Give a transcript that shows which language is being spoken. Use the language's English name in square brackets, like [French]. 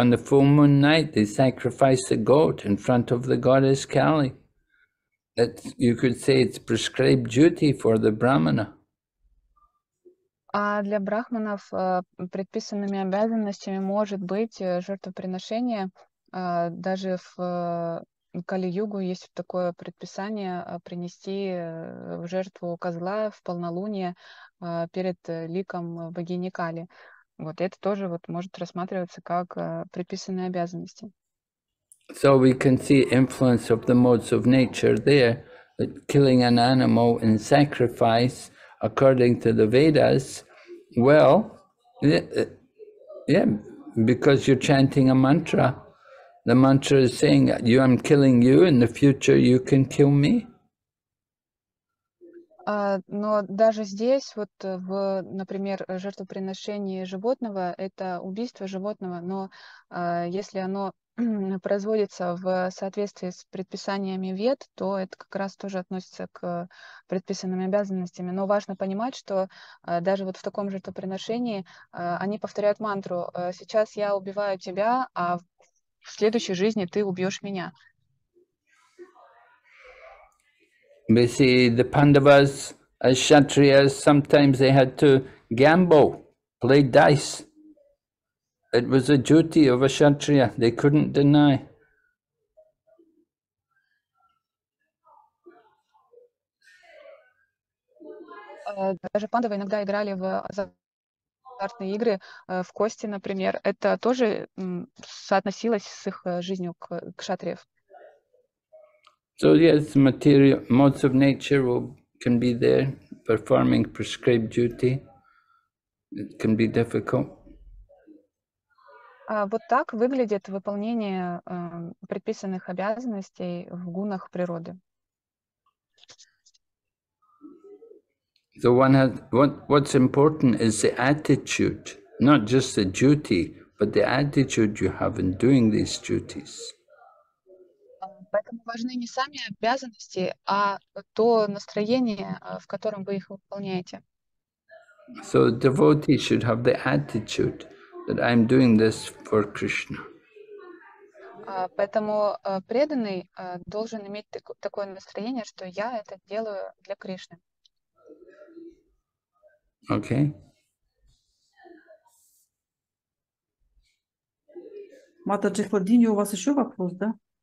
[English] On the full moon night, they sacrifice the goat in front of the goddess Kali. You could say it's prescribed duty for the brahmana. [Russian] А для брахманов предписанными обязанностями может быть жертвоприношение. Даже в Кали-югу есть такое предписание принести в жертву козла в полнолуние перед ликом богини Кали. Вот это тоже вот может рассматриваться как предписанные обязанности. [English] So we can see influence of the modes of nature there, that killing an animal in sacrifice, according to the Vedas, well, yeah, because you're chanting a mantra. The mantra is saying, "You, I'm killing you. In the future, you can kill me." [Russian] Но даже здесь, вот, в, например, жертвоприношении животного, это убийство животного, но если оно производится в соответствии с предписаниями вед, то это как раз тоже относится к предписанным обязанностям. Но важно понимать, что даже вот в таком жертвоприношении они повторяют мантру «Сейчас я убиваю тебя, а в следующей жизни ты убьешь меня». [English] We see the Pandavas as Kshatriyas, sometimes they had to gamble, play dice. It was a duty of a Kshatriya, they couldn't deny. [Russian] Даже Пандавы иногда играли в азартные игры, в кости, например. Это тоже соотносилось с их жизнью кшатриев. [English] So yes, material modes of nature can be there performing prescribed duty. It can be difficult. [Russian] Вот так выглядит выполнение предписанных обязанностей в гунах природы. [English] So one has what's important is the attitude, not just the duty, but the attitude you have in doing these duties. [Russian] Поэтому важны не сами обязанности, а то настроение, в котором вы их выполняете. [English] So the devotee should have the attitude that I'm doing this for Krishna. [Russian] Поэтому преданный должен иметь такое настроение, что я это делаю для Кришны. [English] Okay. [Russian] Матаджи Хладини, у вас еще вопрос, да?